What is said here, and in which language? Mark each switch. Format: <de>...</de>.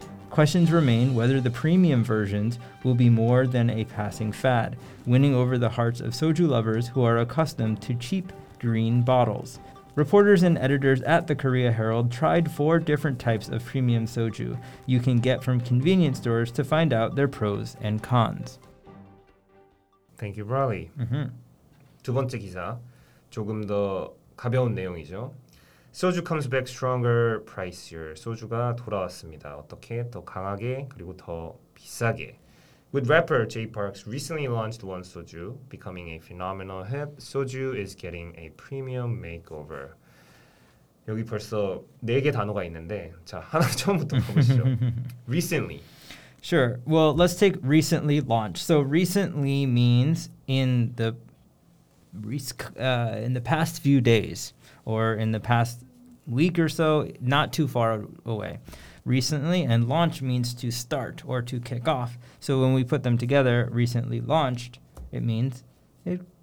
<en>Questions remain whether the premium versions will be more than a passing fad, winning over the hearts of soju lovers who are accustomed to cheap green bottles. Reporters and editors at the Korea Herald tried four different types of premium soju you can get from convenience stores to find out their pros and cons. Thank you, Broly. Mm-hmm.</en> <ko>두 번째 기사, 조금 더 가벼운 내용이죠.</ko> <en>Soju comes back stronger, pricier.</en> <ko>소주가 돌아왔습니다. 어떻게? 더 강하게, 그리고 더 비싸게.</ko> <en>With rapper Jay Parks recently launched one soju, becoming a phenomenal hit, soju is getting a premium makeover.</en> <ko>여기 벌써 네 개 단어가 있는데, 자, 하나 처음부터 가보시죠.</ko> <en>recently. Sure. Well, let's take recently launched. So recently means in the past few days, or in the past week or so, not too far away. Recently, and launch means to start or to kick off. So when we put them together, recently launched, it means it</en>